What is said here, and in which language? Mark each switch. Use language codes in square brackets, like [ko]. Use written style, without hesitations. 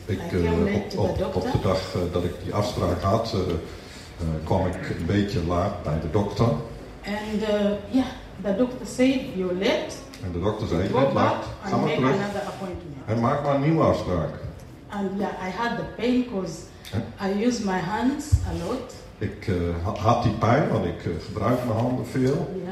[nl] Ik, op de dag dat ik die afspraak had, kwam ik een beetje laat bij de dokter. [en] And the doctor said you're late. [nl] En de dokter zei je bent laat. Ga maar terug. En maak maar een nieuwe afspraak. [en] And I had the pain because I use my hands a lot. [nl] Ik had die pijn want ik gebruik mijn handen veel.